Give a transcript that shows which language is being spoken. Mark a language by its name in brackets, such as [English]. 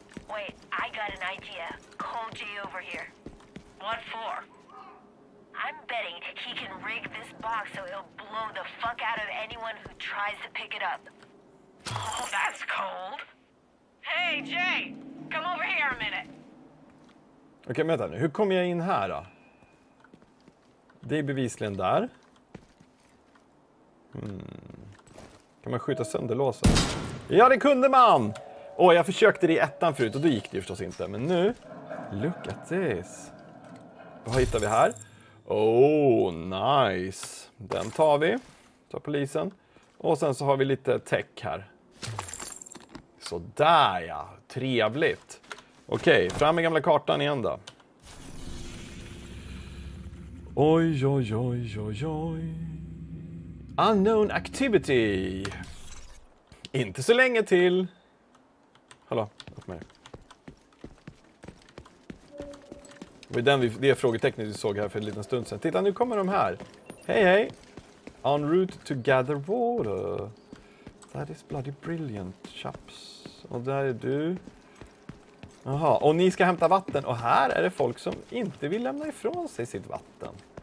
[English] Wait, I got an idea. Call G over here. What for? I'm betting he can rig this box so it'll blow the fuck out of anyone who tries to pick it up. Oh, that's cold. Hey Jay, come over here a minute. [Swedish] Okej, hur kommer jag in här då? Det är bevisligen där. Kan man skjuta sönder låsen? Ja, det kunde man. Åh, jag försökte det i ettan förut och då gick det ju förstås inte, men nu [English] look at this. [Swedish] Vad hittar vi här? [English] Oh, nice. [Swedish] Den tar vi. Tar polisen. Och sen så har vi lite tech här. Så där ja, trevligt. Okej, fram med gamla kartan igen då. Oj, oj, oj, oj, oj. [English] Unknown activity. [Swedish] Inte så länge till. Hallå, upp med dig. Det är det frågetecknet vi såg här för en liten stund sedan. Titta, nu kommer de här. Hej, hej. [English] En route to gather water. That is bloody brilliant, chaps. [Swedish] Och där är du. Jaha, och ni ska hämta vatten. Och här är det folk som inte vill lämna ifrån sig sitt vatten.